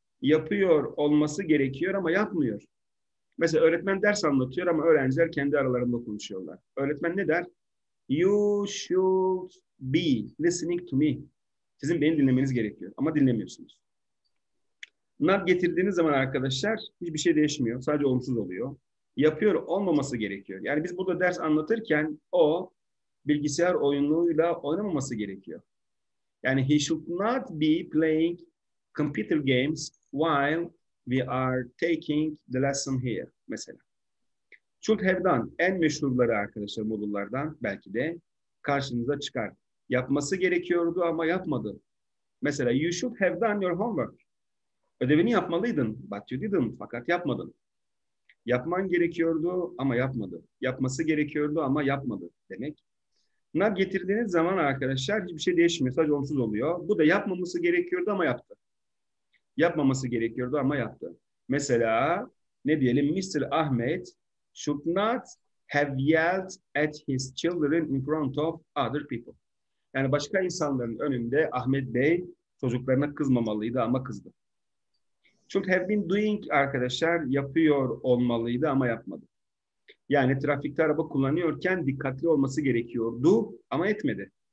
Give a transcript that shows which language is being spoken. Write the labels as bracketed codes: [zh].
[tr] Yapıyor olması gerekiyor ama yapmıyor. Mesela öğretmen ders anlatıyor ama öğrenciler kendi aralarında konuşuyorlar. Öğretmen ne der? [en] You should be listening to me. [tr] Sizin beni dinlemeniz gerekiyor ama dinlemiyorsunuz. Nab getirdiğiniz zaman arkadaşlar hiçbir şey değişmiyor. Sadece olumsuz oluyor. Yapıyor olmaması gerekiyor. Yani biz burada ders anlatırken o bilgisayar oyunuyla oynamaması gerekiyor. [en] Yani he should not be playing computer games while we are taking the lesson here. Mesela. Should have done. [tr] En meşhurları arkadaşlar modullardan belki de karşınıza çıkar. Yapması gerekiyordu ama yapmadı. Mesela [en] you should have done your homework. [tr] Ödevini yapmalıydın. [en] But you didn't. [tr] Fakat yapmadın. Yapman gerekiyordu ama yapmadı. Yapması gerekiyordu ama yapmadı. Demek. Nab getirdiğiniz zaman arkadaşlar hiçbir şey değişmiyor. Sadece olumsuz oluyor. Bu da yapmaması gerekiyordu ama yaptı. Yapmaması gerekiyordu ama yaptı. Mesela ne diyelim? Mr. [en] Ahmet should not have yelled at his children in front of other people. [tr] Yani başka insanların önünde Ahmet Bey çocuklarına kızmamalıydı ama kızdı. [en] Should have been doing [tr] arkadaşlar yapıyor olmalıydı ama yapmadı. Yani trafikte araba kullanıyorken dikkatli olması gerekiyordu ama etmedi.